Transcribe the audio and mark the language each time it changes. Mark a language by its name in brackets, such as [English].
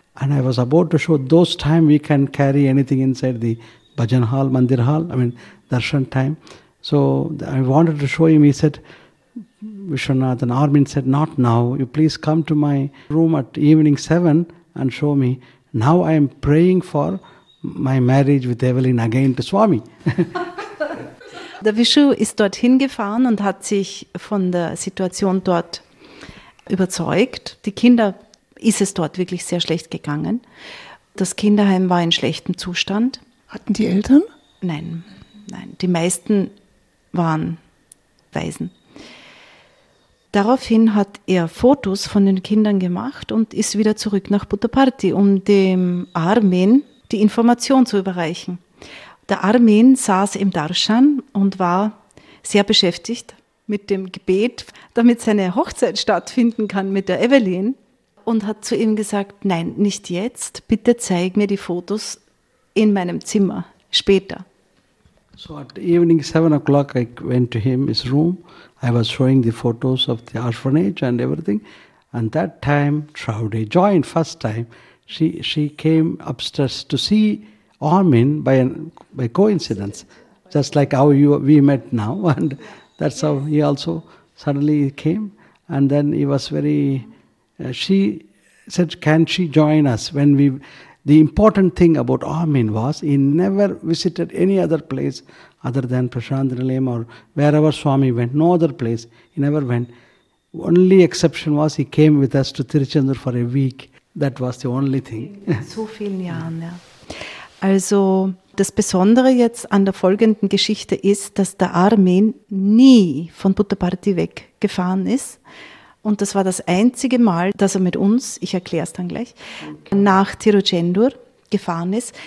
[English] And I was about to show, those time we can carry anything inside the bhajan hall, mandir hall, I mean, darshan time. So I wanted to show him. He said, Vishwanathan, Armin said, not now. You please come to my room at evening 7 and show me. Now I am praying for my marriage with Evelyn again to Swami. [German] Der Vishu ist dorthin gefahren und hat sich von der Situation dort überzeugt. Die Kinder, ist es dort wirklich sehr schlecht gegangen. Das Kinderheim war in schlechtem Zustand. Hatten die Eltern? Nein, nein. Die meisten waren Waisen. Daraufhin hat er Fotos von den Kindern gemacht und ist wieder zurück nach Puttaparthi, um dem Armin die Information zu überreichen. Der Armin saß im Darshan und war sehr beschäftigt mit dem Gebet, damit seine Hochzeit stattfinden kann mit der Evelyn, und hat zu ihm gesagt, nein, nicht jetzt, bitte zeig mir die Fotos in meinem Zimmer, später. [English] So at evening 7 o'clock I went to him, his room. I was showing the photos of the orphanage and everything. And that time Trouday joined, first time. She came upstairs to see Armin by coincidence, just like how we met now, and that's how he also suddenly came. And then he was very, she said, can she join us? The important thing about Armin was he never visited any other place other than Prashantanilayam or wherever Swami went, no other place, he never went. Only exception was he came with us to Tiruchendur for a week. That was the only thing. [German] So vielen Jahren, ja. Also das Besondere jetzt an der folgenden Geschichte ist, dass der Armin nie von Puttaparthi weggefahren ist. Und das war das einzige Mal, dass er mit uns, ich erkläre es dann gleich, okay, nach Tiruchendur gefahren ist.